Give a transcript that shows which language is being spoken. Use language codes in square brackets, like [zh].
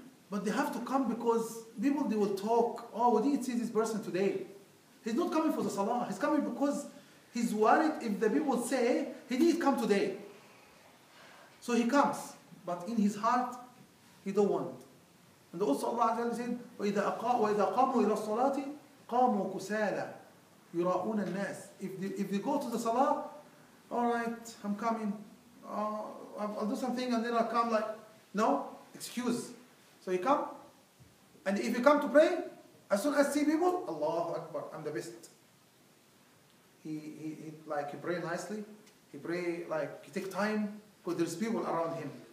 [en] But they have to come because people, they will talk, oh, we didn't see this person today. He's not coming for the salah. He's coming because he's worried if the people say he didn't come today. So he comes, but in his heart, he don't want. And also Allah said, [ar] وَإِذَا قَامُوا إِلَى الصَّلَاةِ قَامُوا كُسَالَى يُرَاؤُونَ النَّاسِ. [en] If they go to the salah, all right, I'm coming. I'll do something and then I'll come like, no, excuse. So you come, and if you come to pray, as soon as see people, Allahu Akbar, I'm the best. He pray nicely, he pray like, he take time, because there's people around him.